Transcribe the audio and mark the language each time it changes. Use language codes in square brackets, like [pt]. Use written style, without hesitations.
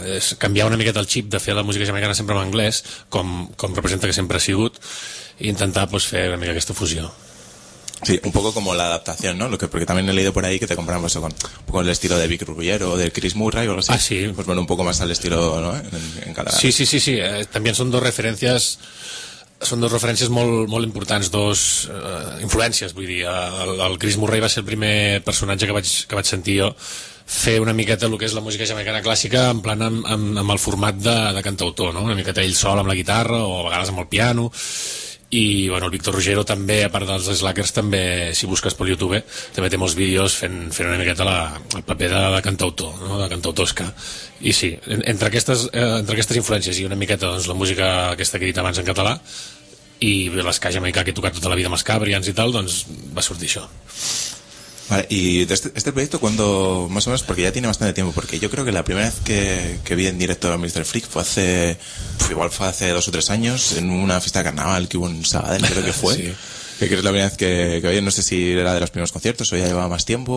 [ca] És canviar una miqueta el xip de fer la música jamaicana sempre en anglès, com representa que sempre ha sigut, i intentar, doncs, fer una mica aquesta fusió. [es] Sí, un poco como la adaptación, ¿no? Porque también he leído por ahí que te comparan eso con el estilo de Vic Rubier o de Chris Murray o algo así. Ah, sí. Pues bueno, un poco más al estilo, ¿no? En cada... Sí. También son dos referencias. [ca] Són dues referències molt, molt importants, dues influències, vull dir. El Chris Murray va ser el primer personatge que vaig sentir jo fer una miqueta el que és la música jamaicana clàssica, en plan amb el format de cantautor, no? Una miqueta ell sol amb la guitarra o a vegades amb el piano. I bueno, el Víctor Rugero també, a part dels Slackers, també, si busques per YouTube, també té molts vídeos fent una miqueta el paper de cantautor, no? De cantautosca. I sí, entre aquestes influències hi ha una miqueta, doncs, la música aquesta que he dit abans en català, i l'esca jamaicà que he tocat tota la vida amb els Cabrians i tal, doncs va sortir això. [es] Vale, y este proyecto, cuando, más o menos, porque ya tiene bastante tiempo, porque yo creo que la primera vez que vi en directo a Mr. Freak fue hace, igual fue hace dos o tres años, en una fiesta de carnaval que hubo en Sabadell, creo que fue. Sí. Que creo que es la primera vez que oye, no sé si era de los primeros conciertos o ya llevaba más tiempo.